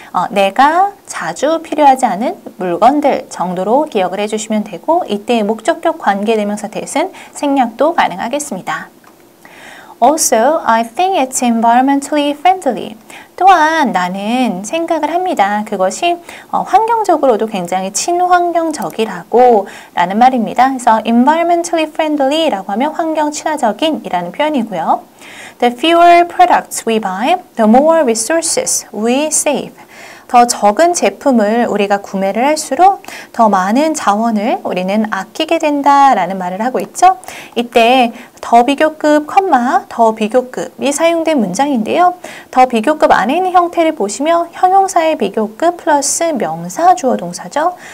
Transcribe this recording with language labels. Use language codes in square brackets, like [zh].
[ko] 내가 자주 필요하지 않은 물건들 정도로 기억을 해주시면 되고 이때 목적격 관계대명사 that은 생략도 가능하겠습니다. [en] Also, I think it's environmentally friendly. [ko] 또한 나는 생각을 합니다. 그것이 환경적으로도 굉장히 친환경적이라고 라는 말입니다. 그래서 environmentally friendly 라고 하면 환경 친화적인 이라는 표현이고요. [en] The fewer products we buy, the more resources we save. [ko] 더 적은 제품을 우리가 구매를 할수록 더 많은 자원을 우리는 아끼게 된다라는 말을 하고 있죠. 이때 더 비교급, 콤마, 더 비교급이 사용된 문장인데요. 더 비교급 안에 있는 형태를 보시면 형용사의 비교급 플러스 명사 주어 동사죠.